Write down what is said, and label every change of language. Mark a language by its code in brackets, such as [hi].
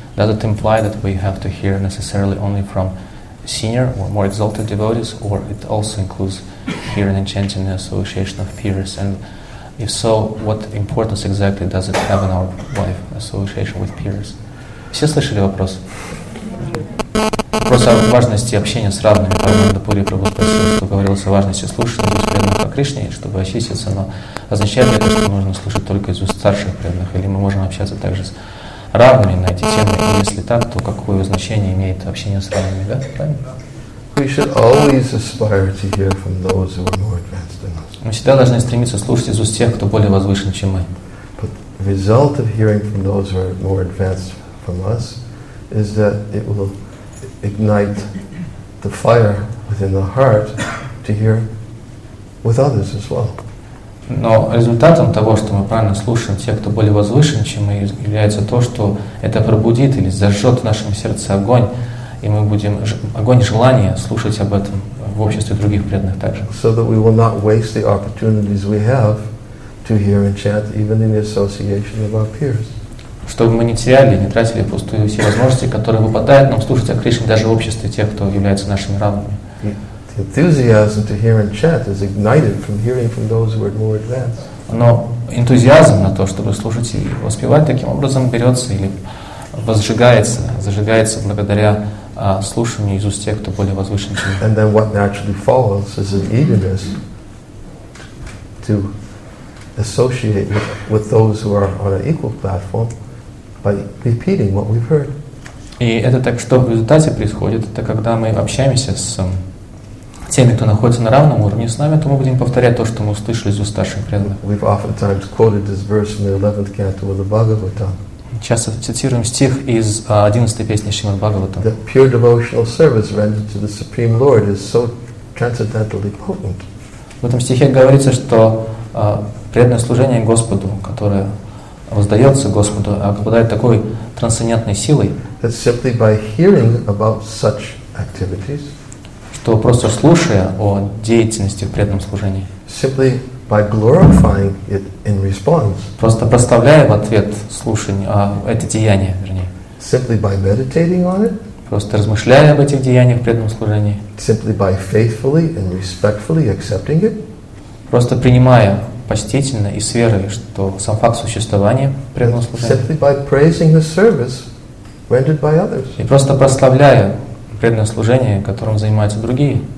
[en] Does it imply that we have to hear necessarily only from senior or more exalted devotees, or it also includes hearing and chanting the association of peers? And if so, what importance exactly does it have in our life, association with peers? [ru] Все слышали вопрос? Вопрос о важности общения с равными. Парамананда Пури Прабхупада, что говорилось о важности слушания, быть преданным о Кришне, чтобы очиститься, но означает ли это, что нужно слушать только из уст старших преданных, или мы можем общаться также с равными на эти темы? И если так, то какое значение имеет общение с равными, да? [en] We should always aspire to hear from those who are more advanced than us. [ru] Мы всегда должны стремиться слушать из уст тех, кто более возвышен, чем мы. [en] But the result of hearing from those who are more advanced from us is that it will ignite the fire within the heart to hear with others as well. [ru] Но результатом того, что мы правильно слушаем тех, кто более возвышен, чем мы, является то, что это пробудит или зажжет в нашем сердце огонь, и мы будем огонь желания слушать об этом в обществе других преданных также. [en] So that we will not waste the opportunities we have to hear and chant even in the association of our peers. [ru] Чтобы мы не теряли, не тратили пустую все возможности, которые выпадают нам слушать о Кришне даже в обществе тех, кто является нашими равными. [en] The enthusiasm to hear and chant is ignited from hearing from those who are more advanced. [ru] Но энтузиазм на то, чтобы слушать и воспевать, таким образом берется или возжигается, зажигается благодаря слушанию из уст тех, кто более возвышен, чем. [en] And then what naturally follows is an eagerness to associate with those who are on an equal platform by repeating what we've heard. [ru] И это так, что в результате происходит, это когда мы общаемся с теми, кто находится на равном уровне с нами, то мы будем повторять то, что мы услышали из уст старших преданных. [en] We've oftentimes quoted this verse in the 11th canto of the Bhagavatam. [ru] Часто цитируем стих из 11-й песни Шримад Бхагаватам. [en] The pure devotional service rendered to the Supreme Lord is so transcendentally potent. [ru] В этом стихе говорится, что преданное служение Господу, которое воздается Господу, обладает такой трансцендентной силой, [en] that simply by hearing about such activities, [ru] что просто слушая о деятельности в преданном служении, [en] simply by glorifying it in response, [ru] просто поставляя в ответ слушание, это деяние, вернее, [en] simply by meditating on it, [ru] просто размышляя об этих деяниях в преданном служении, [en] simply by faithfully and respectfully accepting it, [ru] просто принимая почтительно и с верой, что сам факт существования преданного служения, [en] simply by praising the service rendered by others, [ru] и просто прославляя преданное служение, которым занимаются другие.